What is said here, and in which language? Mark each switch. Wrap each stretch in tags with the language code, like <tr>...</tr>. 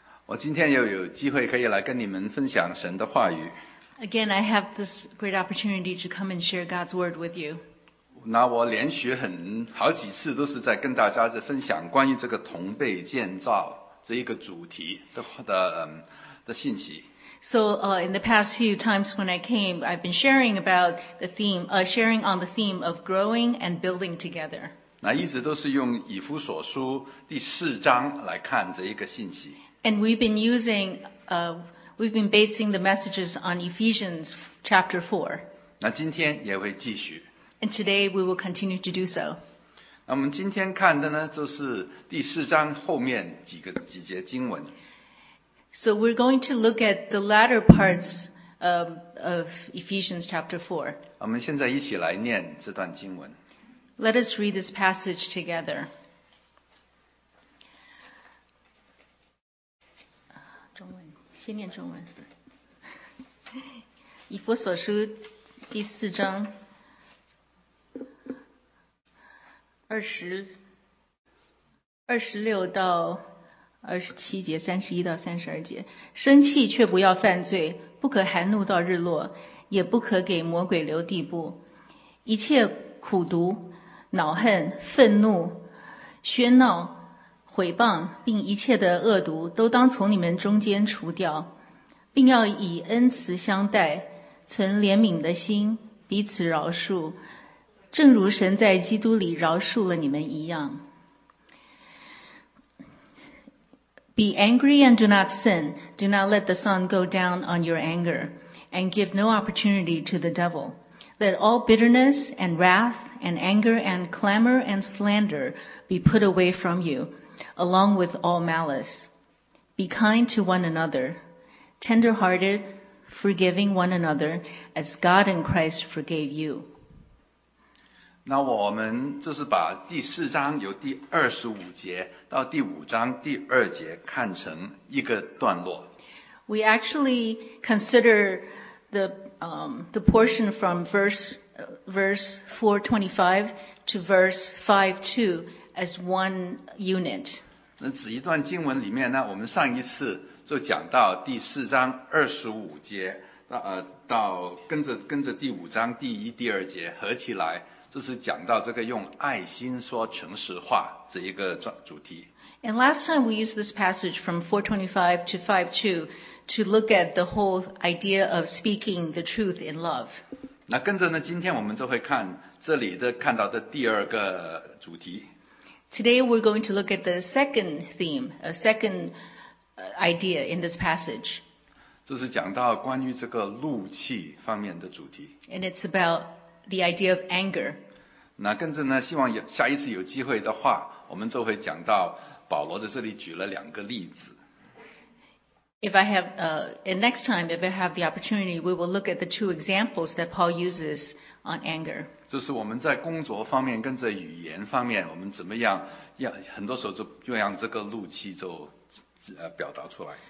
<zh>我今天又有机会可以来跟你们分享神的话语。</zh> <en>Again, I have this great opportunity to come and share God's word with you.</en> <zh>那我连续很好几次都是在跟大家分享关于这个同被建造这一个主题 的信息。</zh> <en>So, in the past few times when I came, I've been sharing about the theme, sharing on the theme of growing and building together.</en> <zh>那一直都是用以弗所书第四章来看这一个信息。</zh> <en>And we've been using, we've been basing the messages on Ephesians chapter 4.</en> <zh>那今天也会继续。</zh> <en>And today we will continue to do so.</en> <zh>那我们今天看的呢，就是第四章后面几节经文。</zh> <en>So we're going to look at the latter parts of Ephesians chapter 4.</en> <zh>我们现在一起来念这段经文。</zh> <en>Let us read this passage together.</en> <zh>中文，先念中文。以弗所书第四章26到27节，31到32节。生气却不要犯罪，不可含怒到日落，也不可给魔鬼留地步。一切苦毒。恼恨、愤怒、喧闹、毁谤，并一切的恶毒，都当从你们中间除掉，并要以恩慈相待，存怜悯的心，彼此饶恕，正如神在基督里饶恕了你们一样。</zh> <en>Be angry and do not sin. Do not let the sun go down on your anger, and give no opportunity to the devil. Let all bitterness and wrath. And anger and clamor and slander be put away from you, along with all malice. Be kind to one another, tender-hearted, forgiving one another, as God in Christ forgave you.</en> <zh>那我们就是把第四章由第25节到第五章第二节看成一个段落。</zh> <en>We actually consider the portion from verse 4:25 to verse 5:2 as one unit.</en> <zh>那此一段经文里面呢，我们上一次就讲到第四章二十五节到跟着第五章第一、第二节合起来，就是讲到这个用爱心说诚实话这一个主题。</zh> <en>And last time we used this passage from 4:25 to 5:2 to look at the whole idea of speaking the truth in love.</en> <zh>那跟着呢，今天我们就会看这里的看到的第二个主题。</zh> <en>Today we're going to look at the second theme, a second idea in this passage.</en> <zh>这是讲到关于这个怒气方面的主题。</zh> <en>And it's about the idea of anger.</en> <zh>那跟着呢，希望下一次有机会的话，我们就会讲到保罗在这里举了两个例子。</zh> <en>If I have, and next time, if I have the opportunity, we will look at the two examples that Paul uses on anger.</en> <zh>就是我们在工作方面跟着语言方面，我们怎么样，很多时候就让这个怒气就表达出来。</zh>